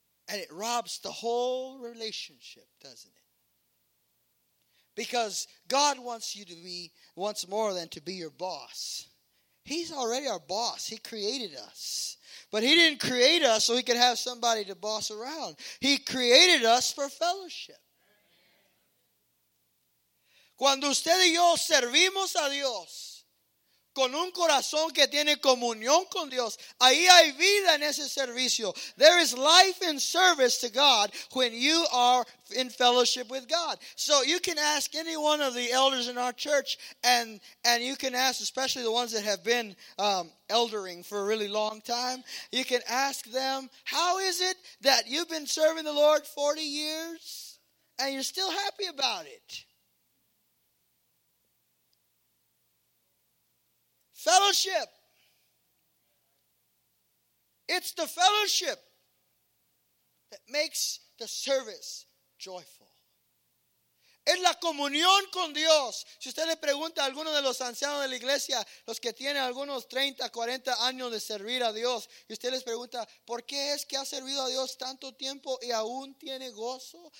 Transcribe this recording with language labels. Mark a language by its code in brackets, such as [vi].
[en] And it robs the whole relationship, doesn't it? Because God wants you to be, wants more than to be your boss. He's already our boss. He created us. But he didn't create us so he could have somebody to boss around. He created us for fellowship. [es] Cuando usted y yo servimos a Dios con un corazón que tiene comunión con Dios, ahí hay vida en ese servicio. [en] There is life in service to God when you are in fellowship with God. So you can ask any one of the elders in our church, and you can ask, especially the ones that have been eldering for a really long time, you can ask them, how is it that you've been serving the Lord 40 years and you're still happy about it? Fellowship. It's the fellowship that makes the service joyful. [es] Es la comunión con Dios. Si usted le pregunta a alguno de los ancianos de la iglesia, los que tienen algunos 30, 40 años de servir a Dios, y usted les pregunta, ¿por qué es que ha servido a Dios tanto tiempo y aún tiene gozo?